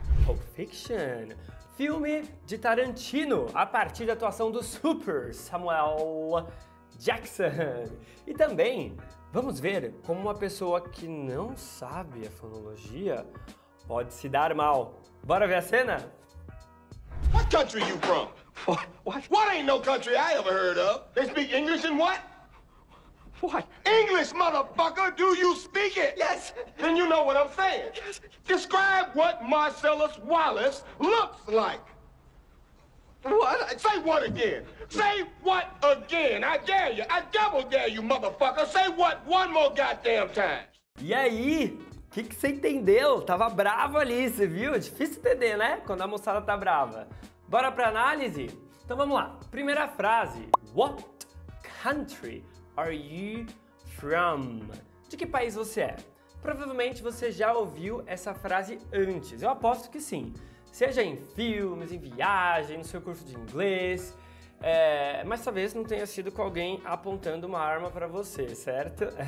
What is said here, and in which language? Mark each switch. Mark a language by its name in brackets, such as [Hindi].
[Portuguese] Pulp Fiction. Filme de Tarantino, a partir da atuação do Super Samuel Jackson. E também, vamos ver como uma pessoa que não sabe a fonologia pode se dar mal. Bora ver a cena? [English] What country are you from? What? What ain't no country I ever heard of? They speak English in what? What? English, motherfucker! Do you speak it? Yes! Then you know what I'm saying. Yes. Describe what Marcellus Wallace looks like. What? Say what again? Say what again? I dare you. I double dare you, motherfucker. Say what one more goddamn time. [Portuguese] E aí? Que você entendeu? Tava bravo ali, você viu? Difícil entender, né? Quando a moçada tá brava. Bora pra análise? Então vamos lá. Primeira frase. [English] What country are you from? [Portuguese] De que país você é? Provavelmente você já ouviu essa frase antes. Eu aposto que sim. Seja em filmes, em viagem, no seu curso de inglês. Mas talvez não tenha sido com alguém apontando uma arma pra você, certo?